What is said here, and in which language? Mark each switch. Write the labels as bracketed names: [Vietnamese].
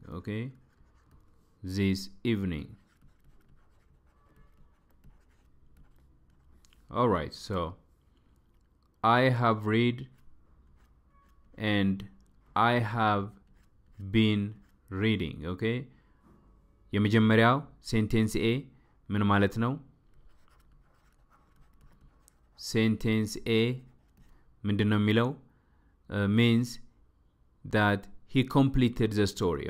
[English] Okay, this evening. All right, so I have been reading. [Amharic] Okay, የመጀመሪያው sentence A ምን ማለት ነው? Sentence A ምንድነው የሚለው? [English] Means that he completed the story.